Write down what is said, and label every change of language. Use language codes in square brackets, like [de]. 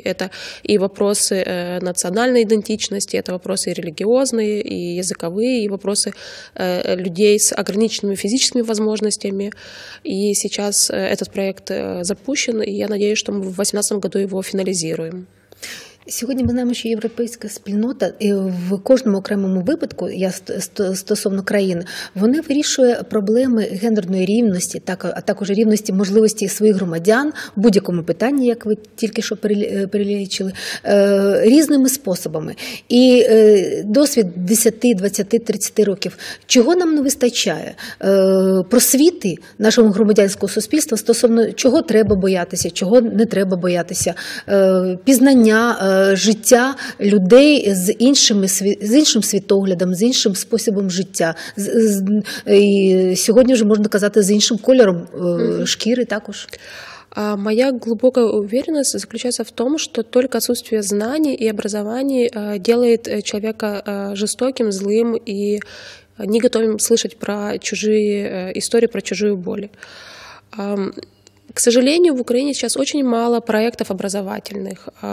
[ru] Это и вопросы национальной идентичности, это вопросы религиозные, и языковые, и вопросы людей с ограниченными физическими возможностями. И сейчас этот проект запущен, и я надеюсь, что мы в 2018 году его финализируем. [uk] Сьогодні ми знаємо, що європейська спільнота в кожному окремому випадку, я стосовно країни, вони вирішує проблеми гендерної рівності, а також рівності можливості своїх громадян в будь-якому питанні, як ви тільки що перелічили, різними способами. І досвід 10, 20, 30 років. Чого нам не вистачає? Просвіти нашого громадянського суспільства стосовно чого треба боятися, чого не треба боятися, пізнання життя людей з іншим світоглядом, з іншим способом життя. І сьогодні вже можна казати з іншим кольором шкіри також. [ru] Моя глубокая уверенность заключается в том, что только отсутствие знаний и образований делает человека жестоким, злым и не готовым слышать про чужие истории, про чужую боль. К сожалению, в Украине сейчас очень мало проектов образовательных.